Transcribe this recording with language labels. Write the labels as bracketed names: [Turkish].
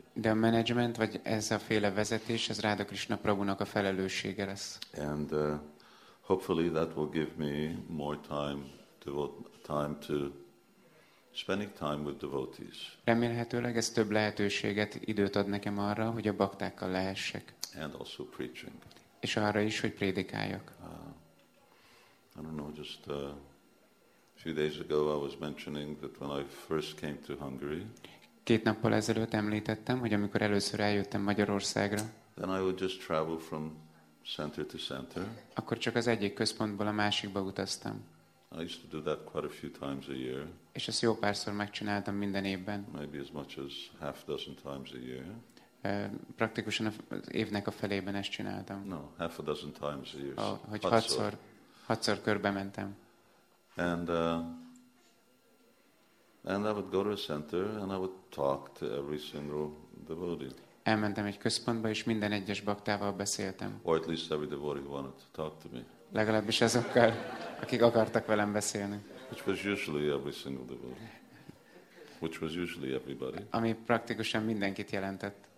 [Hungarian] De a management vagy ez a féle vezetés, ez Radha Krishna Prabhunak a felelőssége lesz. [English] And hopefully that will give me more time to spending time with devotees. [Hungarian] Remélhetőleg ez több lehetőséget, időt ad nekem arra, hogy a baktákkal lehessek. [English] And also preaching. [Hungarian] És arra is, hogy prédikáljak. [English] I don't know, just a few days ago I was mentioning that when I first came to Hungary. [Hungarian] Két nappal ezelőtt említettem, hogy amikor először eljöttem Magyarországra. [English] Then I would just travel from center to center. [Hungarian] Akkor csak az egyik központból a másikba utaztam. [English] I used to do that quite a few times a year. [Hungarian] És ezt jó párszor megcsináltam minden évben. [English] Maybe as much as half dozen times a year. [Hungarian] Praktikusan az évnek a felében ezt csináltam. [English] No, half a dozen times a year. [Hungarian] Oh, hogy hatszor körbe mentem. [English] And I would go to a center and I would talk to every single devotee. [Hungarian] Elmentem egy központba és minden egyes baktával beszéltem. [English] Or at least every devotee who wanted to talk to me. [Hungarian] Legalábbis azokkal, akik akartak velem beszélni. [English] Which was usually every single devotee. Which was usually everybody. [Hungarian] Ami praktikusan mindenkit jelentett.